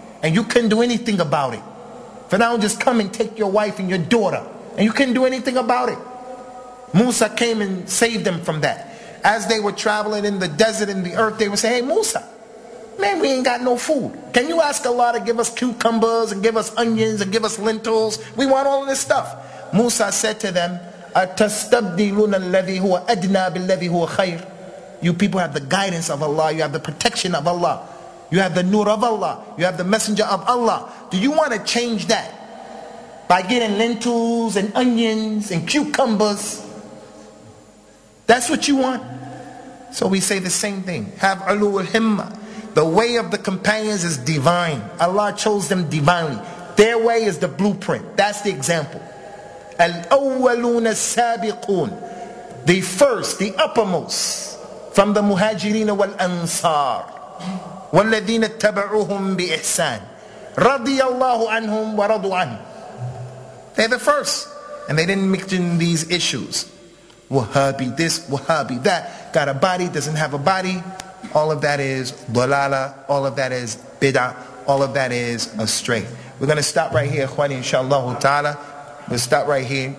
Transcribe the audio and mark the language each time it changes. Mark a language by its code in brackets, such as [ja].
[en] And you couldn't do anything about it. Fir'aun just come and take your wife and your daughter, and you couldn't do anything about it. Musa came and saved them from that. As they were traveling in the desert and the earth, they would say, hey Musa, man, we ain't got no food. Can you ask Allah to give us cucumbers and give us onions and give us lentils? We want all of this stuff. Musa said to them, [ar] أَتَسْتَبْدِلُونَ الَّذِي هُوَ أَدْنَى بِالَّذِي هُوَ خَيْرٌ. [en] You people have the guidance of Allah. You have the protection of Allah. You have the nur of Allah. You have the messenger of Allah. Do you want to change that by getting lentils and onions and cucumbers? That's what you want? So we say the same thing. Have ulu al-himma. The way of the companions is divine. Allah chose them divinely. Their way is the blueprint. That's the example. [ar] الأولون السابقون, [en] the first, the uppermost, from the [ar] مهاجرين والأنصار, والذين تبعوهم بإحسان, رضي الله عنهم ورضوا عنه. [en] They're the first, and they didn't mention these issues. Wahhabi this, Wahhabi that, got a body, doesn't have a body. All of that is dalala, all of that is bid'ah, all of that is astray. We're going to stop right here, إخواني, inshallah ta'ala. We'll stop right here.